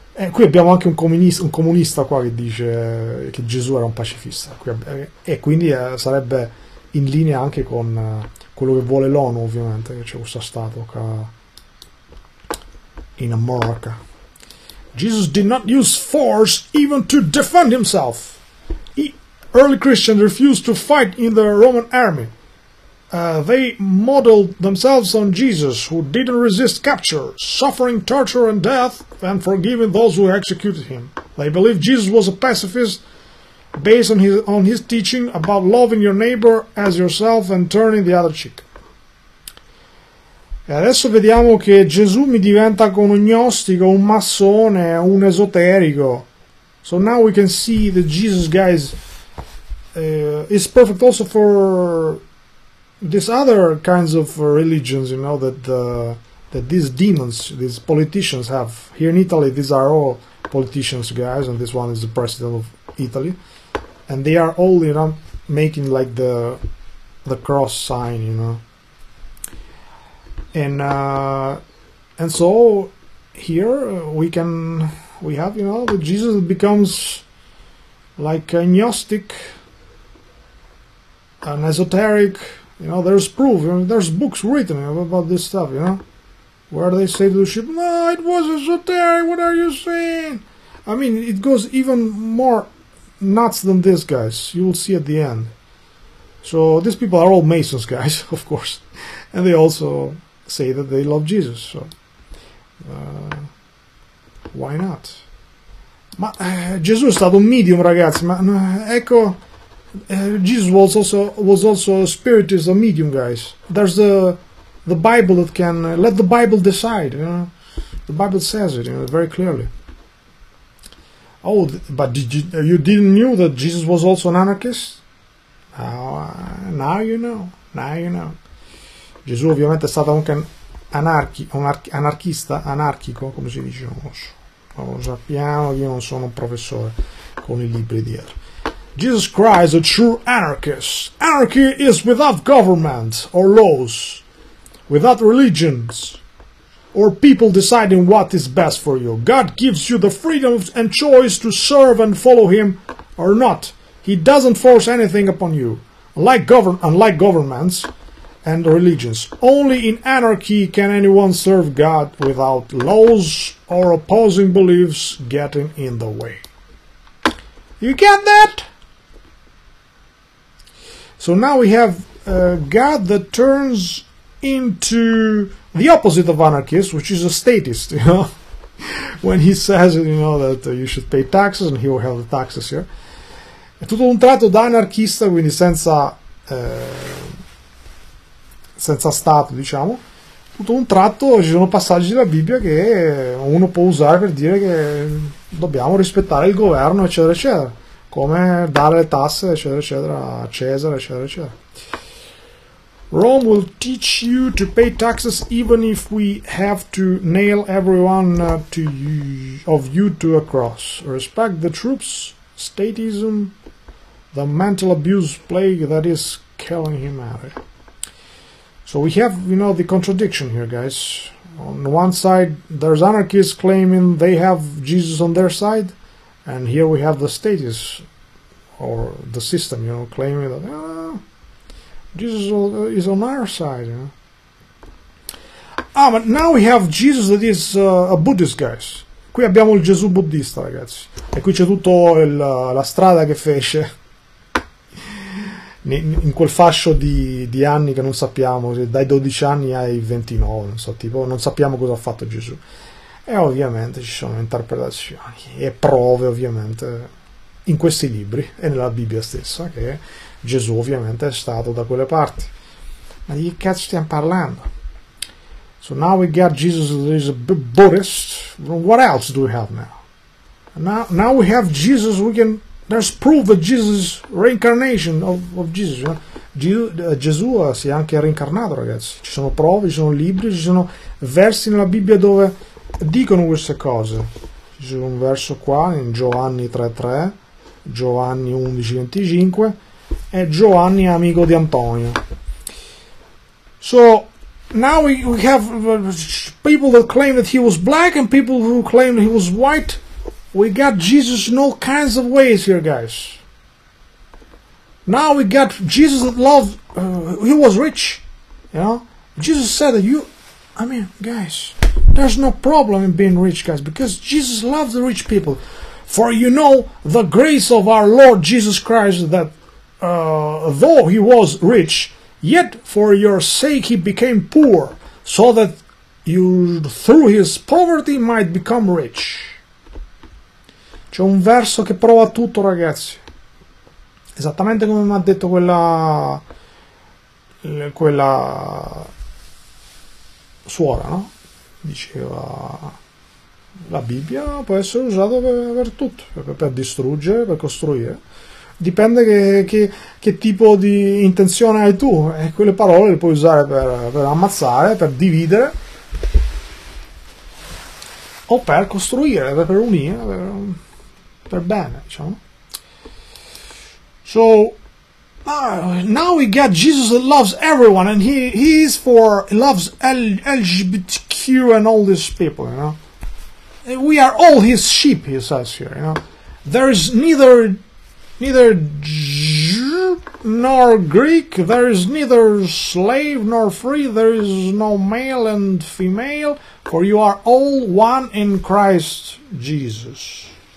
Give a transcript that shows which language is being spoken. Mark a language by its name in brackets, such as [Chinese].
[Italian] Qui abbiamo anche un comunista qua che dice che Gesù era un pacifista, e quindi sarebbe in linea anche con quello che vuole l'ONU, ovviamente, che c'è questa statua in America. [English] Jesus did not use force even to defend himself. Early Christians refused to fight in the Roman army. They modeled themselves on Jesus, who didn't resist capture, suffering torture and death, and forgiving those who executed him. They believed Jesus was a pacifist based on his teaching about loving your neighbor as yourself and turning the other cheek. [Italian] E adesso vediamo che Gesù mi diventa un gnostico, un massone, un esoterico. [English] So now we can see that Jesus, guys, is perfect also for these other kinds of religions, you know, that these demons, these politicians have. Here in Italy, these are all politicians, guys, and this one is the president of Italy. And they are all, you know, making like the cross sign, you know. And so here we have, you know, that Jesus becomes like a Gnostic, an esoteric. You know, there's proof, you know, there's books written about this stuff, you know. Where they say to the sheep, no, it was esoteric, what are you saying? I mean, it goes even more nuts than this, guys. You will see at the end. So, these people are all Masons, guys, of course. And they also say that they love Jesus, so. Why not? [Italian] Ma, Gesù è stato un medium, ragazzi, ma, ecco. [English] Jesus was also a spiritist, a medium, guys. There's the Bible that can let the Bible decide, you know. The Bible says it, you know, very clearly. Oh, but you didn't know that Jesus was also an anarchist? Now you know. [Italian] Gesù ovviamente è stato anche anarchista, anarchico, come si dice, non lo so. Non lo sappiamo, io non sono un professore con i libri dietro. [English] Jesus Christ, a true anarchist. Anarchy is without government or laws, without religions or people deciding what is best for you. God gives you the freedom and choice to serve and follow him or not. He doesn't force anything upon you. Unlike governments, and religions. Only in anarchy can anyone serve God without laws or opposing beliefs getting in the way. You get that? So now we have God that turns into the opposite of anarchist, which is a statist, you know. When he says, you know, that you should pay taxes, and he will have the taxes here. [Italian] È tutto un tratto da anarchista, quindi senza senza stato, diciamo. Tutto un tratto, ci sono passaggi della Bibbia che uno può usare per dire che dobbiamo rispettare il governo, eccetera, eccetera. Come dare le tasse, eccetera, eccetera, a Cesare, eccetera, eccetera. [English] Rome will teach you to pay taxes even if we have to nail everyone of you to a cross. Respect the troops, statism, the mental abuse plague that is killing humanity. So we have, you know, the contradiction here, guys. On one side, there's anarchists claiming they have Jesus on their side, and here we have the status, or the system, you know, claiming that Jesus is on our side. You know? Ah, but now we have Jesus that is a Buddhist, guys. [Italian] Qui abbiamo il Gesù buddista, ragazzi. E qui c'è tutto la strada che fece in quel fascio di anni che non sappiamo, dai 12 anni ai 29, non so, tipo, non sappiamo cosa ha fatto Gesù. E ovviamente ci sono interpretazioni e prove, ovviamente, in questi libri e nella Bibbia stessa, che Gesù ovviamente è stato da quelle parti. Ma di che cazzo stiamo parlando? [English] So now we got Jesus that is a Buddhist. What else do we have now? Now we have Jesus, there's proof that Jesus, reincarnation of Jesus. You know? [Italian] Gesù si è anche reincarnato, ragazzi. Ci sono prove, ci sono libri, ci sono versi nella Bibbia dove dicono queste cose. Ci sono un verso qua in Giovanni 3:3, Giovanni 11:25, e Giovanni è amico di Antonio. [English] So now we have people that claim that he was black and people who claim that he was white. We got Jesus in all kinds of ways here, guys. Now we got Jesus that loved, he was rich, you know. Jesus said that guys, there's no problem in being rich, guys, because Jesus loves the rich people. For you know the grace of our Lord Jesus Christ, that though he was rich, yet for your sake he became poor, so that you through his poverty might become rich. [Italian] C'è un verso che prova tutto, ragazzi. Esattamente come mi ha detto quella suora, no? Diceva, la Bibbia può essere usata per tutto, per distruggere, per costruire. Dipende che tipo di intenzione hai tu. E quelle parole le puoi usare per ammazzare, per dividere, o per costruire, per unire, per bene, diciamo. [English] So now we got Jesus that loves everyone, and he is for, he loves LGBTQ and all these people, you know. We are all his sheep, he says here, you know. There is neither Jew nor Greek, there is neither slave nor free, there is no male and female, for you are all one in Christ Jesus.